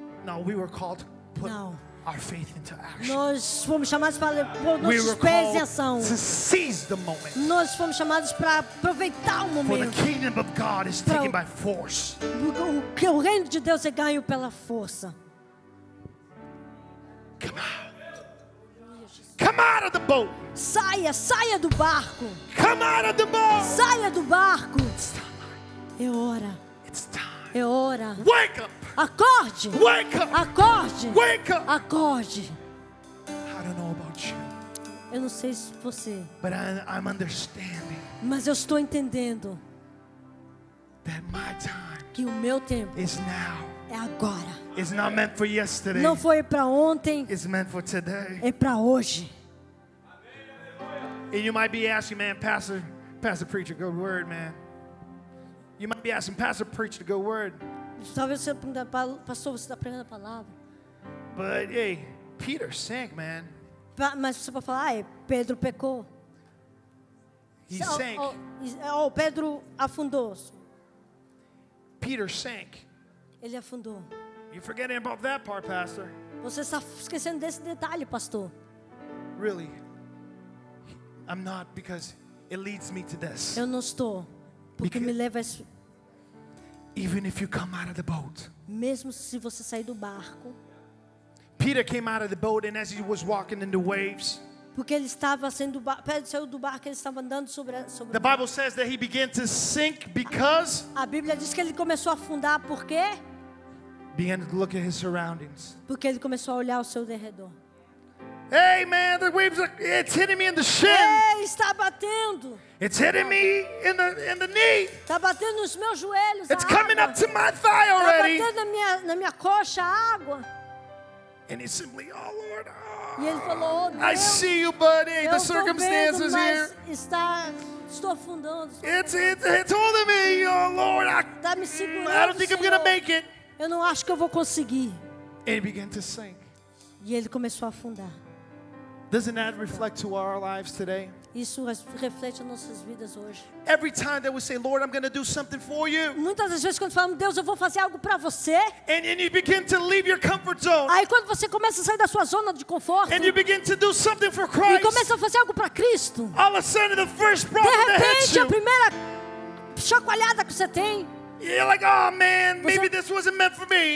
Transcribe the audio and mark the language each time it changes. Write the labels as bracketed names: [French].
[English] No, we were called to put our faith into action. [Portuguese] Nós fomos chamados para pôr nossos pés em ação. [English] To seize the moment. [Portuguese] Nós fomos chamados para aproveitar o momento. [English] For the kingdom of God is taken by force. [Portuguese] Porque o reino de Deus é ganho pela força. [English] Come out of the boat. [Portuguese] Saia do barco. [English] Come out of the boat. [Portuguese] Saia do barco. [English] It's time. [Portuguese] É hora. [English] It's time. [Portuguese] É hora. [English] Wake up. [Portuguese] Acorde. [English] Wake up. [Portuguese] Acorde. [English] Wake up. [Portuguese] Acorde. [English] I don't know about you. [Portuguese] Eu não sei se você. [English] But I'm understanding. [Portuguese] Mas eu estou entendendo. [English] That my time. [Portuguese] Que o meu tempo. [English] Is now. [Portuguese] É agora. [English] It's not meant for yesterday. [Portuguese] Não foi para ontem. [English] It's meant for today. [Portuguese] É para hoje. [English] And you might be asking, man, pastor, preacher, good word, man. You might be asking, pastor, preacher, the good word. [Portuguese] Talvez você pergunte, pastor, você está pregando a palavra. [English] But hey, Peter sank, man. [Portuguese] Mas você vai falar, Pedro pecou. [English] He sank. [Portuguese] Oh, Pedro afundou. [English] Peter sank. [Portuguese] Ele afundou. [English] You're forgetting about that part, pastor. [Portuguese] Você está esquecendo desse detalhe, pastor. [English] Really? I'm not because it leads me to this. [Portuguese] Eu não estou porque me leva a isso. [English] Even if you come out of the boat. [Portuguese] Mesmo se você sair do barco. [English] Peter came out of the boat and as he was walking in the waves. [Portuguese] Porque ele estava saindo do barco, Pedro saiu do barco, ele estava andando sobre [English] The Bible says that he began to sink because [Portuguese] A Bíblia diz que ele começou a afundar porque [English] began to look at his surroundings. [Portuguese] Porque ele começou a olhar ao seu derredor. [English] Hey man, the waves are it's hitting me in the shin. [Portuguese] Ei, está batendo. [English] It's hitting me in the knee. [Portuguese] Está batendo nos meus joelhos. [English] It's coming up to my thigh already. [Portuguese] Está batendo na minha coxa a água. [English] And he simply, oh Lord. [Portuguese] E ele falou, oh, Deus, [English] I see you, buddy. The circumstances [Portuguese] vendo, [English] here. [Portuguese] Estou afundando. [English] It's holding me, oh Lord. [Portuguese] Me segurando, [English] I don't think [Portuguese] Senhor. [English] I'm gonna make it. [Portuguese] Eu não acho que eu vou conseguir. [English] And he began to sink. [Portuguese] E ele começou a afundar. [English] Doesn't that reflect to our lives today? [Portuguese] Isso reflete as nossas vidas hoje. [English] Every time that we say, Lord, I'm going to do something for you. [Portuguese] Muitas das vezes quando falamos, Deus, eu vou fazer algo para você. [English] And you begin to leave your comfort zone. [Portuguese] Aí quando você começa a sair da sua zona de conforto. [English] And you begin to do something for Christ. [Portuguese] E começa a fazer algo para Cristo. [English] All of a sudden, the first problem that hits you. [Portuguese] De repente, a primeira chacoalhada que você tem. [English] You're like, oh man, maybe this wasn't meant for me.